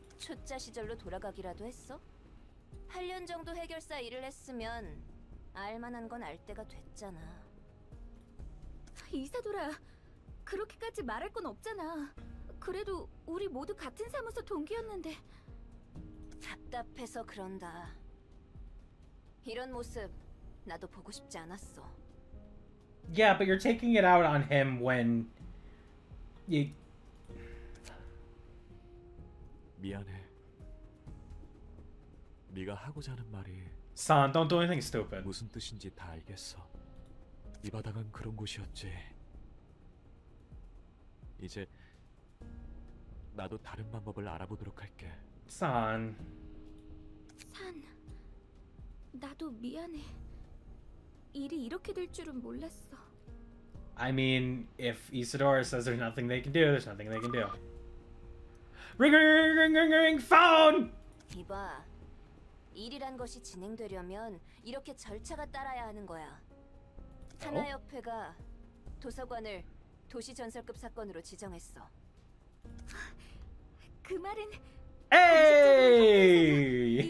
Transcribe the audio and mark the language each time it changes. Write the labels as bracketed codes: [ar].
[ko] 초짜 시절로 돌아가기라도 했어? 8년 정도 해결사 일을 했으면 알만한 건 알 때가 됐잖아. 이사도라, 그렇게까지 말할 건 없잖아. 그래도 우리 모두 같은 사무소 동기였는데. 답답해서 그런다. 이런 모습 나도 보고 싶지 않았어. [en] Yeah, but you're taking it out on him when you... [ko] 미안해. 네가 하고자 하는 말이 [en] Son, don't do anything stupid. [ko] 무슨 뜻인지 다 알겠어. 이 바닥은 그런 곳이었지. 이제 나도 다른 방법을 알아보도록 할게. [en] Son. [ko] Son. 나도 미안해. 일이 이렇게 될 줄은 몰랐어. [en] I mean, if Isadora says there's nothing they can do, there's nothing they can do. Ring, ring, ring, ring, ring, ring, phone. [ko] 이봐. 일이란 것이 진행되려면 이렇게 절차가 따라야 하는 거야. 하나협회가 도서관을 도시전설급 사건으로 지정했어. 그 말은 에이!